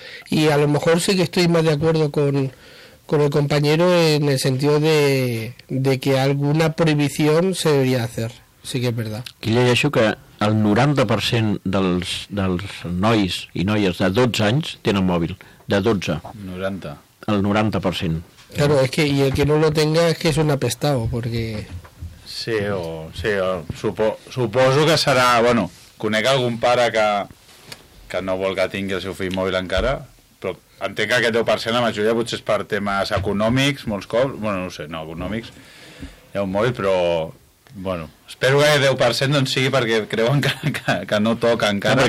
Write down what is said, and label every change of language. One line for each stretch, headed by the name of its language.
Spanish: Y a lo mejor sí que estoy más de acuerdo con el compañero en el sentido de que alguna prohibición se debería hacer, sí que es verdad.
Catalan: Aquí llegeixo que el 90% dels nois i noies de 12 anys tenen mòbil, de 12. 90. El 90%.
Spanish: Claro, es que, y el que no lo tenga es que es un apestado, porque...
Catalan: Sí, suposo que serà, bueno, conec algun pare que no vol que tingui el seu fill mòbil encara, però entenc que aquest 10%, la majoria potser és per temes econòmics, molts cops, bueno, no ho sé, no, econòmics, hi ha un mòbil, però, bueno, espero que el 10% doncs sigui perquè creuen que no toca encara.